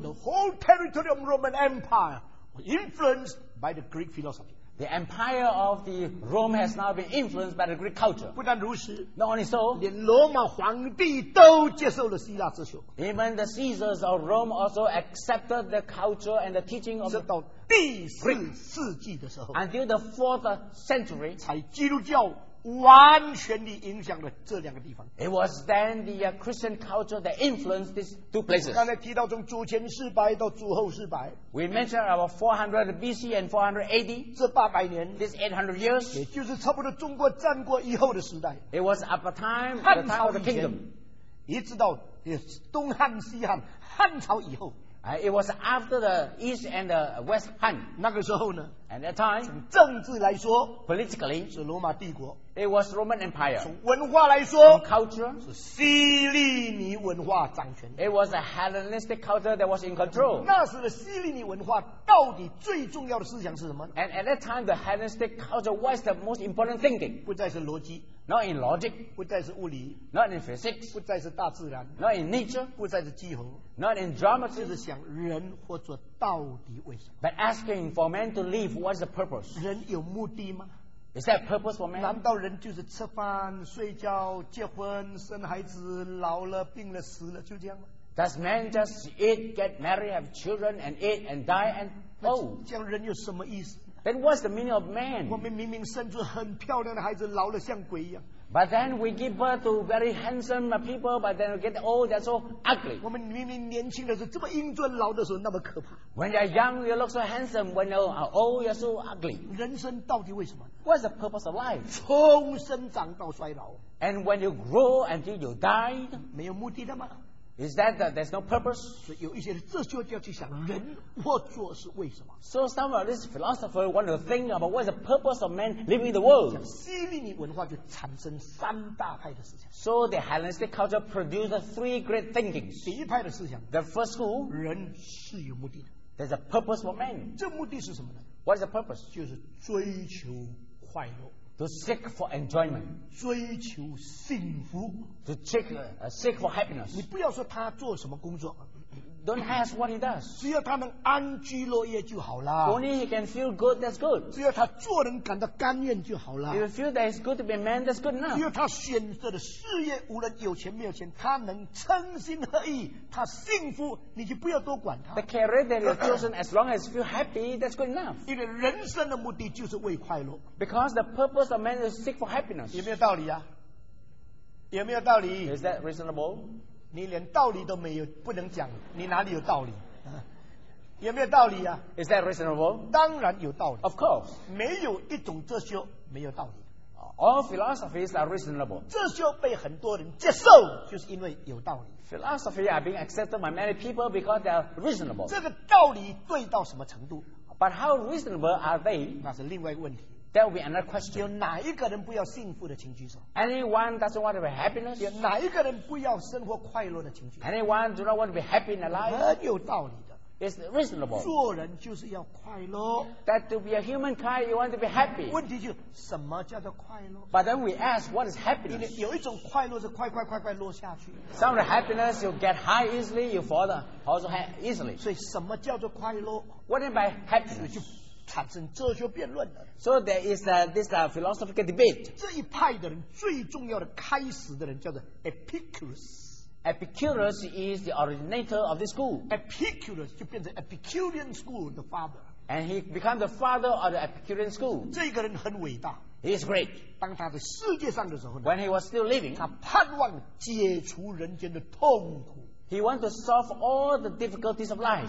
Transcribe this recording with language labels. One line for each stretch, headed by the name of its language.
English: The whole territory of Roman Empire was influenced by the Greek philosophy. The empire of the Rome has now been influenced by the Greek culture.
Chinese: 不但如此
English: ，Not only so，
Chinese: 连罗马皇帝都接受了希腊哲学。
English: Even the Caesars of Rome also accepted the culture and the teaching of Greek.
Chinese: 直到第四世纪的时候
English: ，Until the fourth century，
Chinese: 才基督教完全地影响了这两个地方。
English: It was then the Christian culture that influenced these two places.
Chinese: 刚才提到从主前四百到主后四百
English: ，We mentioned about 400 BC and 400 AD.
Chinese: 这八百年
English: ，this 800 years，
Chinese: 也就是差不多中国战国以后的时代。
English: It was at the time of the kingdom，
Chinese: 一直到东汉、西汉、汉朝以后。
English: It was after the East and the West Han.
Chinese: 那个时候呢
English: ？At that time，
Chinese: 从政治来说
English: ，politically
Chinese: 是罗马帝国
English: ；It was Roman Empire。
Chinese: 从文化来说
English: ，culture
Chinese: 是希利尼文化掌权。
English: It was a Hellenistic culture that was in control。
Chinese: 那时的希利尼文化到底最重要的思想是什么
English: ？And at that time, the Hellenistic culture was the most important thinking。
Chinese: 不再是逻辑。
English: Not in logic，
Chinese: 不再是物理
English: ；Not in physics，
Chinese: 不再是大自然
English: ；Not in nature，
Chinese: 不再是气候
English: ；Not in drama，
Chinese: 就是想人活着到底为什么
English: ？But asking for man to live， what's the purpose？
Chinese: 人有目的吗
English: ？Is that purpose for man？
Chinese: 难道人就是吃饭、睡觉、结婚、生孩子、老了、病了、死了，就这样吗
English: ？Does man just eat, get married, have children, and eat and die and go？
Chinese: 这样人有什么意思？
English: Then what's the meaning of man?
Chinese: 我们明明生出很漂亮的孩子，老了像鬼一样。
English: But then we give birth to very handsome people, but then we get old, they're so ugly. When they're young, you look so handsome. When you're old, you're so ugly.
Chinese: 人生到底为什么?
English: What's the purpose of life?
Chinese: 从生长到衰老.
English: And when you grow until you die,
Chinese: 没有目的的吗?
English: Is that there's no purpose?
Chinese: 所以有一些人这就要去想人活着是为什么?
English: So some of these philosophers want to think about what is the purpose of man living the world.
Chinese: 西里尼文化就产生三大派的思想.
English: So the Hellenistic culture produced three great thinkings.
Chinese: 第一派的思想,
English: the first school,
Chinese: 人是有目的的.
English: There's a purpose for man.
Chinese: 这目的是什么呢?
English: What is the purpose?
Chinese: 就是追求快乐.
English: To seek for enjoyment.
Chinese: 追求幸福,
English: to seek, seek for happiness.
Chinese: 你不要说他做什么工作,
English: don't ask what he does.
Chinese: 只要他能安居乐业就好了,
English: only he can feel good, that's good.
Chinese: 只要他做人感到甘愿就好了,
English: if you feel that it's good to be a man, that's good enough.
Chinese: 只要他选择的事业, 无论有钱没有钱, 他能称心合意, 他幸福, 你就不要多管他。
English: The career that you've chosen, as long as you feel happy, that's good enough.
Chinese: 因为人生的目的就是为快乐。
English: Because the purpose of man is to seek for happiness.
Chinese: 有没有道理啊?有没有道理?
English: Is that reasonable?
Chinese: 你连道理都没有，不能讲，你哪里有道理？有没有道理啊？
English: Is that reasonable?
Chinese: 当然有道理。
English: Of course.
Chinese: 没有一种哲学没有道理。
English: All philosophies are reasonable.
Chinese: 哲学被很多人接受，就是因为有道理。
English: Philosophy are being accepted by many people because they are reasonable.
Chinese: 这个道理对到什么程度？
English: But how reasonable are they?
Chinese: 那是另外一个问题。
English: That will be another question.
Chinese: 有哪一个人不要幸福的请举手?
English: Anyone doesn't want to be happiness?
Chinese: 有哪一个人不要生活快乐的请举手?
English: Anyone do not want to be happy in life?
Chinese: 很有道理的。
English: It's reasonable.
Chinese: 做人就是要快乐。
English: That to be a human kind, you want to be happy.
Chinese: 问题就是什么叫做快乐?
English: But then we ask, what is happiness?
Chinese: 有一种快乐是快快快快落下去。
English: Some of the happiness, you get high easily, you fall also easily.
Chinese: 所以什么叫做快乐?
English: What do you mean by happiness?
Chinese: 产生哲学辩论,
English: so there is this philosophical debate.
Chinese: 这一派的人最重要的开始的人叫做Epicurus.
English: Epicurus is the originator of this school.
Chinese: Epicurus 就变成 Epicurean
English: school the father. And he became the father of the Epicurean school.
Chinese: 这个人很伟大.
English: He is great.
Chinese: 当他在世界上的时候呢,
English: when he was still living,
Chinese: 他盼望解除人间的痛苦.
English: He wants to solve all the difficulties of life.